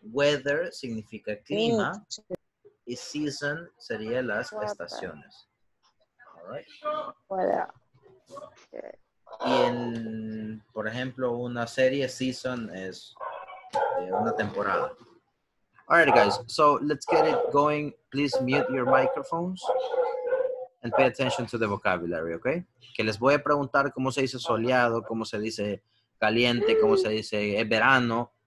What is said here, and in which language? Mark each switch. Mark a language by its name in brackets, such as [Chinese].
[Spanish] Weather significa clima y season sería las estaciones. Y en, por ejemplo, una serie season es una temporada. [English] All right, guys. So let's get it going. Please mute your microphones and pay attention to the vocabulary, okay? [Spanish] Que les voy a preguntar cómo se dice soleado, cómo se dice caliente, cómo se dice es verano.